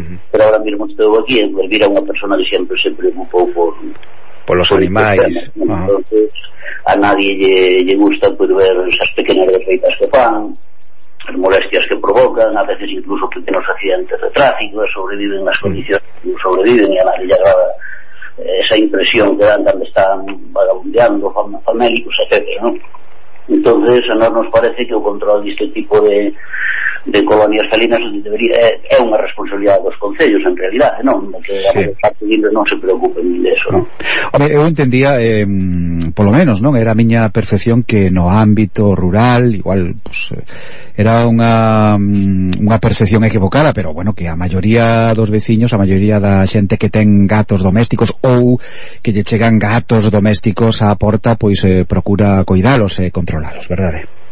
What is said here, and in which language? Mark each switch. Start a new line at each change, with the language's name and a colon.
Spanish: Pero ahora mismo
Galician: estou aquí, Elvira é unha persona que sempre se preocupou por los animais, ¿no?
Spanish: Entonces, a nadie
Galician: lle gusta
Spanish: poder ver esas pequeñas
Galician: defeitas que fan,
Spanish: las molestias que provocan, a veces incluso pequeños accidentes de tráfico, sobreviven las condiciones que sobreviven, y a nadie le agrada esa impresión que dan cuando están vagabundeando, famélicos, etcétera, ¿no? Entonces, a nosotros nos parece que el control de este tipo de colonias felinas es una responsabilidad de los concellos, en realidad, ¿no? Que sí, a los partidos no se preocupen ni de eso, ¿no? Hombre, yo entendía, por lo menos, ¿no?
Galician: Era miña percepción que no ámbito rural, igual, pues, era unha percepción equivocada, pero bueno, que a maioría dos veciños, a maioría da xente que ten gatos domésticos ou que lle chegan gatos domésticos á porta, pois procura coidalos e controlalos, verdade?